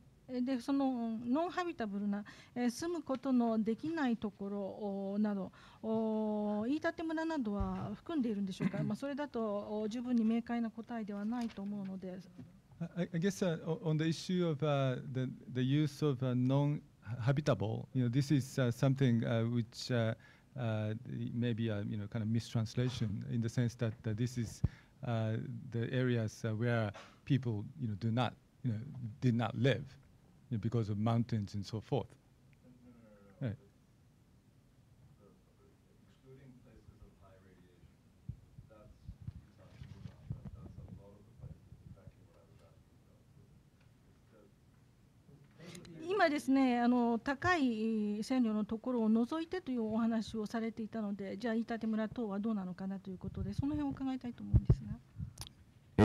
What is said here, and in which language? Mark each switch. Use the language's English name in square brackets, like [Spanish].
[Japanese] でそのノンハビタブルな、住むことのできないところなど、飯舘村などは含んでいるんでしょうか。まあ、それだと十分に明快な答えではないと思うので。 [English] I guess on the issue of the use of non-habitable, you know, this is something which maybe a kind of mistranslation in the sense that this is the areas where people did not live. Because of mountains and so forth. Excluding places of high radiation, that's a lot of the places. Exactly what I was asking about. [Japanese] 今ですね、高い線量のところを除いてというお話をされていたので、じゃあ飯舘村等はどうなのかなということで、その辺を伺いたいと思うんですが。